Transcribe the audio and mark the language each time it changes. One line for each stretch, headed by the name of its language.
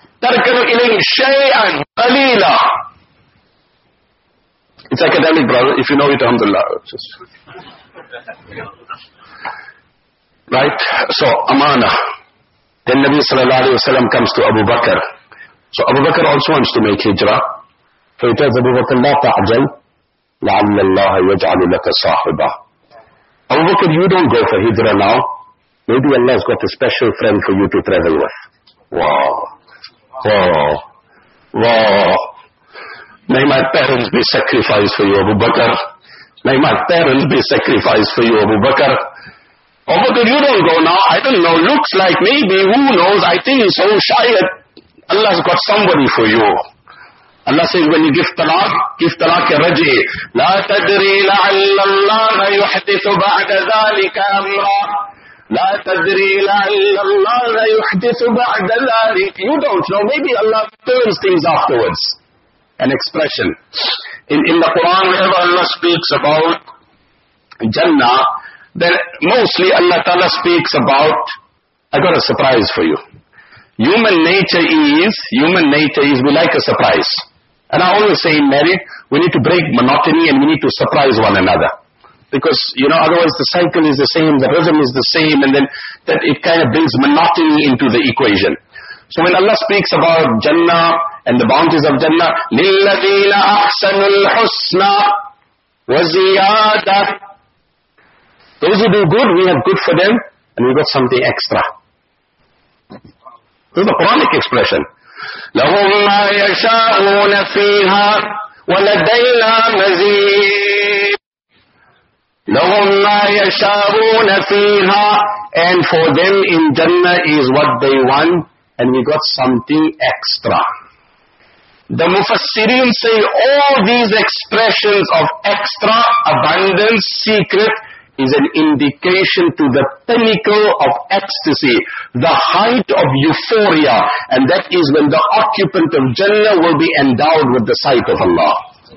Arabic: Tarkanu ilayhi shay'an, qaleela.
English: It's academic, brother. If you know it, alhamdulillah. Just... Right? So, amana. Then Nabi sallallahu alayhi wa sallam comes to Abu Bakr. So, Abu Bakr also wants to make hijrah. So, he tells Abu Bakr,
Arabic: لا تعجل لعل الله يجعل لك صاحبا.
English: Abu Bakr, you don't go for hijrah now. Maybe Allah has got a special friend for you to travel with. Wow. Wow. Wow. May my parents be sacrificed for you, Abu Bakr. May my parents be sacrificed for you, Abu Bakr. Abu Bakr, you don't go now. I don't know. Looks like maybe. Who knows? I think he's so shy. Allah has got somebody for you. Allah says, when you give talaq ya raji.
Arabic: لا تدري لعل الله يحدث بعد ذلك أمرا. لا تدري لعل الله يحدث بعد ذلك.
English: You don't know. Maybe Allah turns things afterwards. An expression. In the Quran, whenever Allah speaks about Jannah, then mostly Allah Ta'ala speaks about, I got a surprise for you. Human nature is, we like a surprise. And I always say in marriage, we need to break monotony and we need to surprise one another. Because, you know, otherwise the cycle is the same, the rhythm is the same, and then that it kind of brings monotony into the equation. So when Allah speaks about Jannah and the bounties of Jannah,
Arabic: لِلَّذِينَ أَحْسَنُ الْحُسْنَ وَزِيَادَةً.
English: Those who do good, we have good for them, and we've got something extra. This is a Quranic expression.
Arabic: لهم ما يشاءون فيها ولدينا مزيد. لهم ما يشاءون فيها.
English: And for them in Jannah is what they want, and we got something extra. The Mufassirin say all these expressions of extra, abundance, secret is an indication to the pinnacle of ecstasy, the height of euphoria, and that is when the occupant of Jannah will be endowed with the sight of Allah.